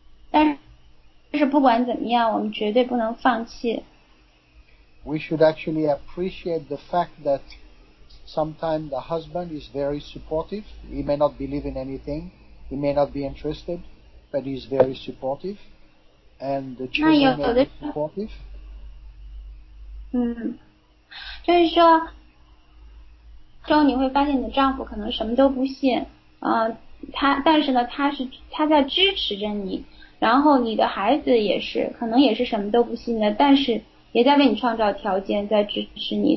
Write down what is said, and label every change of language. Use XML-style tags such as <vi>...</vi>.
<zh>但是不管怎么样，我们绝对不能放弃。</zh> <en>We should actually appreciate the fact thatSometimes the husband is very supportive. He may not believe in anything. He may not be interested, but he's very supportive. And the children are supportive.</en> <zh>就是说，之后你会发现你的丈夫可能什么都不信，但是呢，他在支持着你。然后你的孩子也是，可能也是什么都不信的，但是也在为你创造条件，在支持你。</zh>